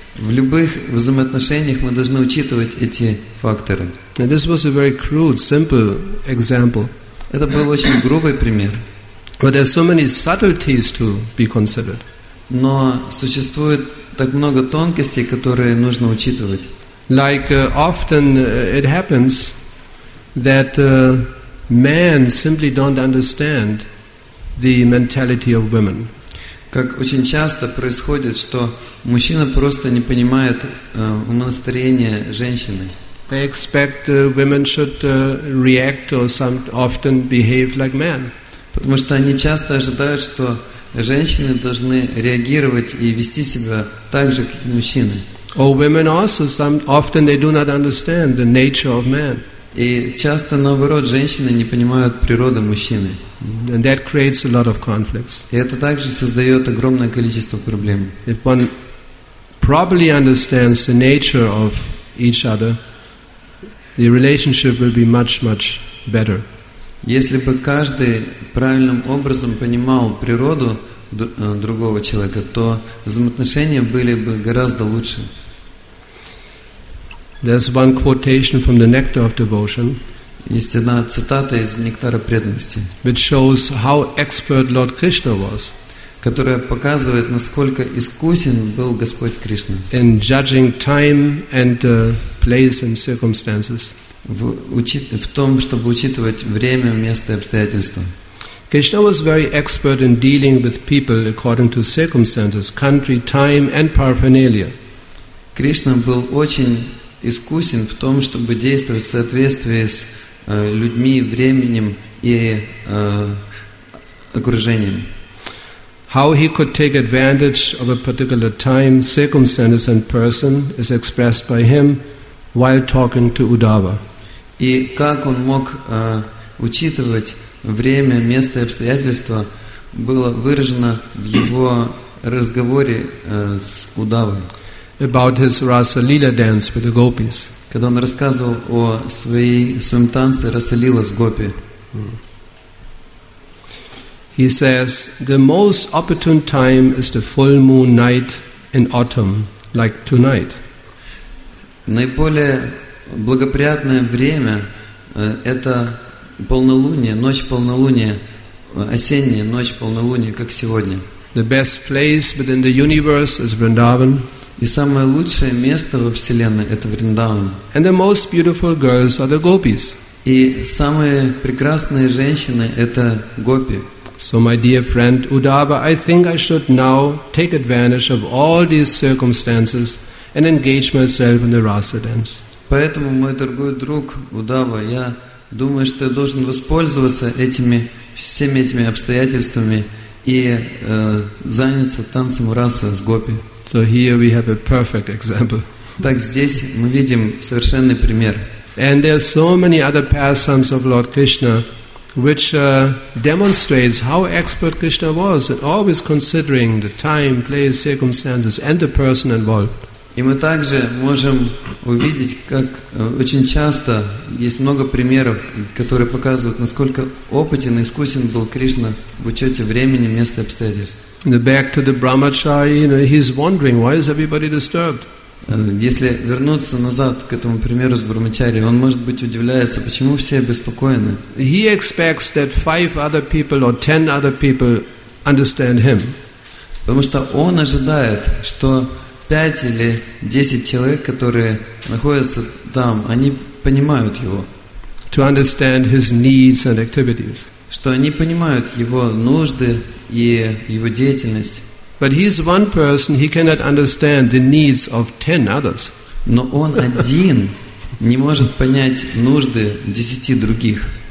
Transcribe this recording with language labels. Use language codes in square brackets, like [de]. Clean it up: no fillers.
[ru] В любых взаимоотношениях мы должны учитывать эти факторы. [en] Now, this was a very crude, simple example. [ru] Это был очень грубый пример. [en] But there are so many subtleties to be considered. [ru] Но существует так много тонкостей, которые нужно учитывать. [en] Like often it happens that men simply don't understand the mentality of women. [ru] Как очень часто происходит, что мужчина просто не понимает умонастроение женщины. [en] They expect women should react or some often behave like men. [ru] Потому что они часто ожидают, что женщины должны реагировать и вести себя так же, как и мужчины. [en] Or women also, some often they do not understand the nature of man. [ru] И часто, наоборот, женщины не понимают природы мужчины. [en] And that creates a lot of conflicts. [ru] И это также создает огромное количество проблем. [en] If one properly understands the nature of each other, the relationship will be much, much better. [ru] Если бы каждый правильным образом понимал природу другого человека, то взаимоотношения были бы гораздо лучше. [en] There's one quotation from the Nectar of Devotion. [ru] Есть одна цитата из Нектара преданности, [en] which shows how expert Lord Krishna was, [ru] которая показывает, насколько искусен был Господь Кришна [en] in judging time and place and circumstances. [ru] В том, чтобы учитывать время, место и обстоятельства. [en] Krishna was very expert in dealing with people according to circumstances, country, time and paraphernalia. [ru] Кришна был очень искусен в том, чтобы действовать в соответствии с людьми, временем и окружением. [en] How he could take advantage of a particular time, circumstances and person is expressed by him while talking to Uddhava. [ru] И как он мог учитывать время, место и обстоятельства, было выражено в его разговоре с Удавой. [en] About his Rasa Lila dance with the gopis. [ru] Когда он рассказывал о своем танце Раса Лила с гопи. [en] He says, the most opportune time is the full moon night in autumn, like tonight. [ru] Наиболее благоприятное время это полнолуние, ночь полнолуния, осенняя ночь полнолуния, как сегодня. [en] The best place within the universe is Vrindavan. [ru] И самое лучшее место во Вселенной это Вриндаван. [en] And the most beautiful girls are the gopis. [ru] И самые прекрасные женщины это гопи. [en] So my dear friend Uddhava, I think I should now take advantage of all these circumstances and engage myself in the rasa dance. [ru] Поэтому, мой дорогой друг Удава, я думаю, что я должен воспользоваться этими, всеми этими обстоятельствами и заняться танцем раса с гопи. [en] So here we have a perfect example. [ru] Так здесь мы видим совершенный пример. [en] And there are so many other pastimes of Lord Krishna, which demonstrates how expert Krishna was at always considering the time, place, circumstances and the person involved. [ru] И мы также можем увидеть, как очень часто есть много примеров, которые показывают, насколько опытен и искусен был Кришна в учете времени, места и обстоятельств. [en] Back to the Brahmachari, you know, he's wondering, why is everybody disturbed? [ru] Если вернуться назад к этому примеру с Брахмачари, он, может быть, удивляется, почему все обеспокоены. [en] He expects that five other people or ten other people understand him. [ru] Потому что он ожидает, что 5 или 10 человек, которые находятся там, они понимают его. [en] To understand his needs and activities. [ru] Что они понимают его нужды и его деятельность. [en] But he is one person, he cannot understand the needs of 10 others. [ru] Но он один не может понять нужды 10 других.